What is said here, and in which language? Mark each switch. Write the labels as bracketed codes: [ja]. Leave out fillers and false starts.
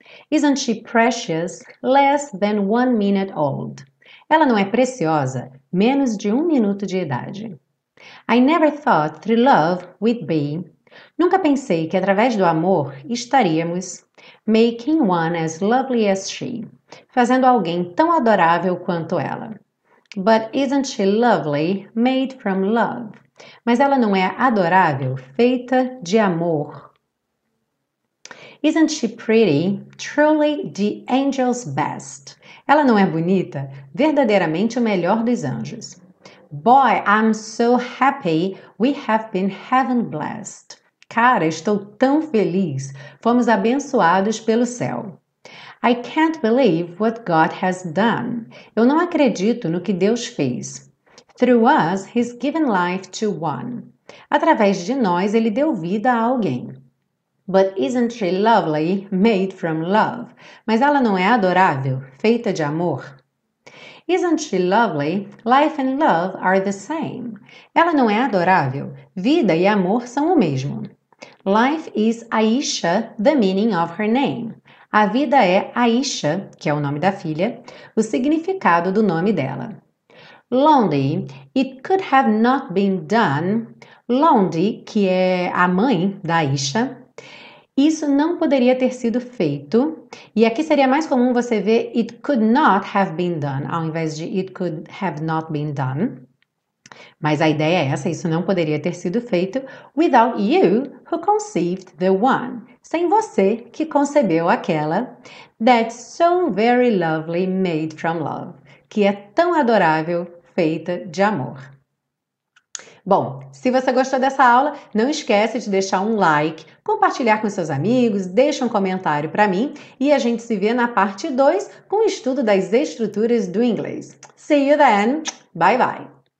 [en] Isn't she precious, less than 1 minute old? [pt] Ela não é preciosa, menos de 1 minuto de idade? [en] I never thought through love we'd be. [pt] Nunca pensei que através do amor estaríamos [en] making one as lovely as she, [pt] fazendo alguém tão adorável quanto ela. [en] But isn't she lovely, made from love? [pt] Mas ela não é adorável, feita de amor. [en] Isn't she pretty, truly the angel's best? [pt] Ela não é bonita, verdadeiramente o melhor dos anjos. [en] Boy, I'm so happy we have been heaven blessed. [pt] Cara, estou tão feliz, fomos abençoados pelo céu. [en] I can't believe what God has done. [pt] Eu não acredito no que Deus fez. [en] Through us, he's given life to one. [pt] Através de nós, ele deu vida a alguém. [en] But isn't she lovely, made from love? [pt] Mas ela não é adorável, feita de amor? [en] Isn't she lovely? Life and love are the same. [pt] Ela não é adorável, vida e amor são o mesmo. [en] Life is Aisha, the meaning of her name. [pt] A vida é Aisha, que é o nome da filha, o significado do nome dela. [en] Londi, it could have not been done. [pt] Londi, que é a mãe da Aisha, isso não poderia ter sido feito. E aqui seria mais comum você ver [en] it could not have been done, [pt] ao invés de [en] it could have not been done. [pt] Mas a ideia é essa, isso não poderia ter sido feito [en] without you who conceived the one. [pt] Sem você que concebeu aquela. [en] That's so very lovely made from love. [pt] Que é tão adorável. Feita de amor. Bom, se você gostou dessa aula, não esquece de deixar um like, compartilhar com seus amigos, deixa um comentário para mim e a gente se vê na parte 2 com o estudo das estruturas do inglês. [en] See you then! Bye bye!